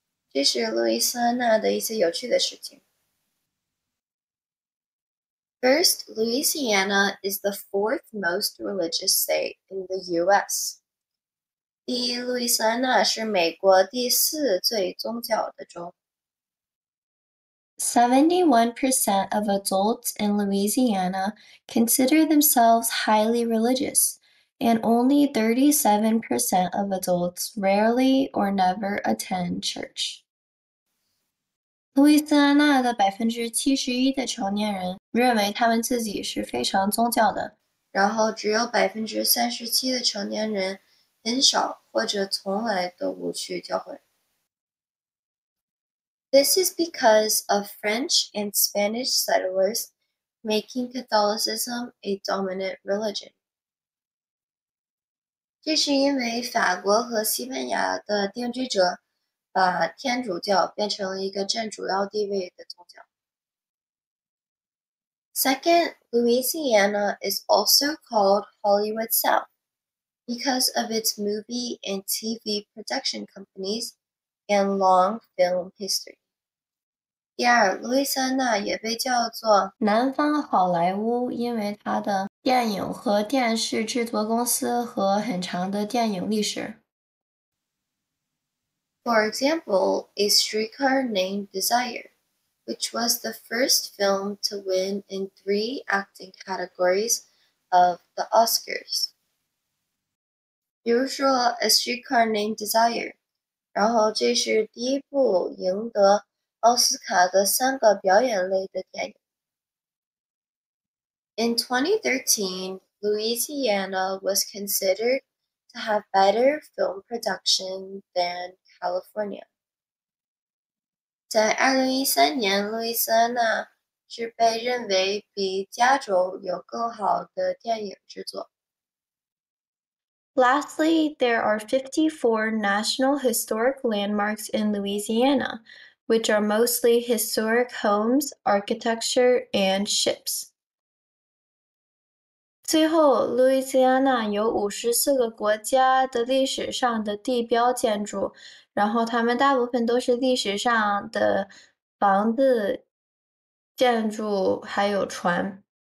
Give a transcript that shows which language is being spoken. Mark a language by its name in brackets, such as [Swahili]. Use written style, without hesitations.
[Chinese] 这是路易斯安娜的一些有趣的事情。 [English] First, Louisiana is the fourth most religious state in the U.S. [Chinese] 第一，路易斯安娜是美国第四最宗教的州。 [English] 71% of adults in Louisiana consider themselves highly religious, and only 37% of adults rarely or never attend church. [Chinese] 路易斯安娜的 71% 的成年人认为他们自己是非常宗教的，然后只有 37% 的成年人很少或者从来都不去教会。 [English] This is because of French and Spanish settlers making Catholicism a dominant religion. [Chinese] 这是因为法国和西班牙的定居者把天主教变成了一个占主要地位的宗教。 [English] Second, Louisiana is also called Hollywood South because of its movie and TV production companies and long film history. [Chinese] 第二，路易斯安那也被叫做南方好莱坞，因为它的电影和电视制作公司和很长的电影历史。 [English] For example, A Streetcar Named Desire, which was the first film to win in three acting categories of the Oscars. [Chinese] 比如说 A Streetcar Named Desire, 然后这是第一部赢得奥斯卡的三个表演类的电影。 [English] In 2013, Louisiana was considered to have better film production thanCalifornia. [Chinese] 在2013年，路易斯安那是被认为比加州有更好的电影制作。 [English] Lastly, there are 54 National Historic Landmarks in Louisiana, which are mostly historic homes, architecture, and ships. [Chinese] 最后，路易斯安那有54个国家的历史上的地标建筑，然后他们大部分都是历史上的房子、建筑还有船。